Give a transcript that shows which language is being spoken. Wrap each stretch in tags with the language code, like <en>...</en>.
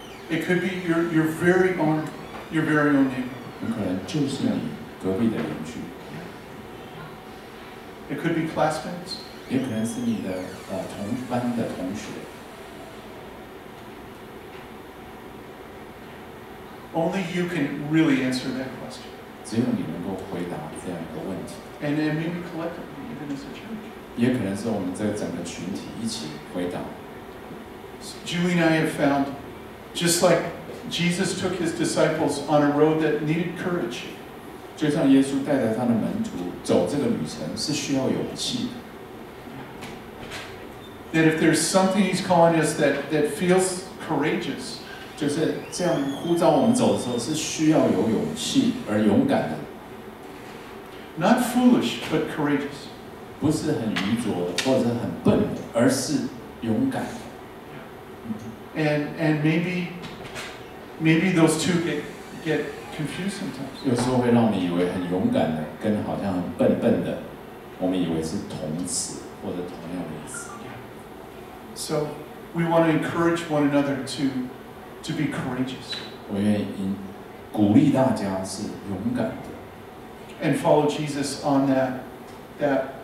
<en>It could be your very own neighbor.</en> <zh>可能就是你隔壁的邻居。</zh> <en>It could be classmates.</en> <zh>也可能是你的同班的同学。</zh> <en>Only you can really answer that question.</en> <zh>只有你能够回答这样一个问题。</zh> <en>And then maybe collectively, even as a church.</en> <zh>也可能是我们这整个群体一起回答。</zh> <en>Julie and I have found, just like Jesus took his disciples on a road that needed courage.</en> <zh>就像耶稣带着他的门徒走这个旅程是需要勇气的。</zh> <en>That if there's something he's calling us that feels courageous,</en> <zh>就是这样呼召我们走的时候是需要有勇气而勇敢的。</zh> <en>Not foolish, but courageous.</en> <zh>不是很愚拙或者很笨，而是勇敢。</zh> <en>And maybe those two get confused sometimes.</en> <zh>有时候会让我们以为很勇敢的跟好像很笨笨的，我们以为是同词或者同样的意思。</zh> <en>So we want to encourage one another to be courageous.</en> <zh>我愿意鼓励大家是勇敢的。</zh> <en>And follow Jesus on that.</en>